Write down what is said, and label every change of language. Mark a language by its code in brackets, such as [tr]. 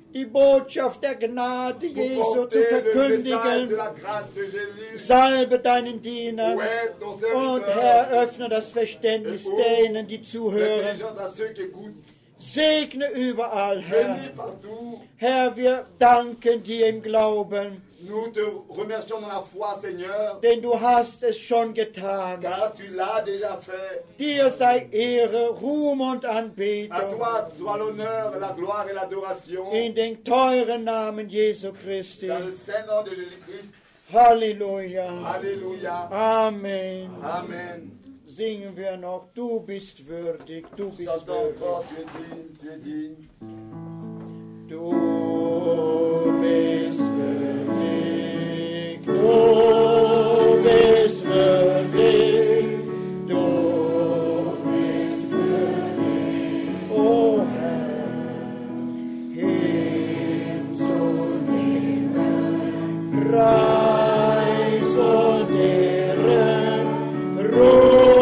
[de] die Botschaft der Gnade Jesu zu verkündigen. Salbe deinen Diener. Und Herr, öffne das Verständnis denen, die zuhören. Segne überall, Herr. Herr, wir danken dir im Glauben. [fr] Nous te remercions dans la foi, Seigneur. [de] Denn du hast es schon getan. [fr] Car tu l'as déjà fait. [de] Dir sei Ehre, Ruhm und Anbetung. [fr] À toi soit l'honneur, la gloire et l'adoration. [de] In den teuren Namen Jesu Christi. [fr] Dans le saint nom de Jésus-Christ. [de] Halleluja. [fr] Halleluja. [de] Amen. [fr] Amen. [de] Singen wir noch, du bist würdig, du bist würdig. Du bist würdig, du bist würdig, du bist würdig, o Herr, Himmel und Erde.